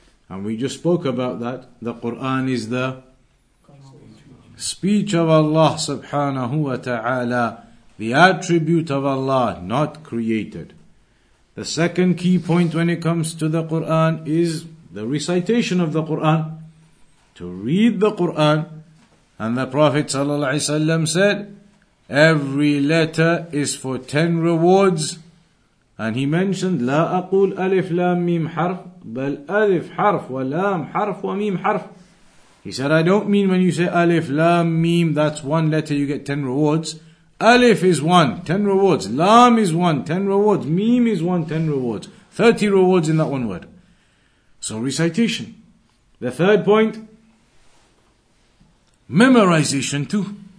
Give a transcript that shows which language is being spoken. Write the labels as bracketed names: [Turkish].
[English] And we just spoke about that. The Qur'an is the speech of Allah subhanahu wa ta'ala, the attribute of Allah, not created. The second key point when it comes to the Qur'an is the recitation of the Qur'an, to read the Qur'an. And the Prophet sallallahu alaihi wasallam said, every letter is for 10 rewards. And he mentioned, [Arabic] لا أقول ألف لام ميم حرف بل ألف حرف ولام حرف وميم حرف. [English] He said, I don't mean when you say Alif, Lam, Mim, that's one letter, you get 10 rewards. Alif is 1, 10 rewards. Lam is 1, 10 rewards. Mim is 1, 10 rewards. 30 rewards in that one word. So recitation. The third point, memorization too.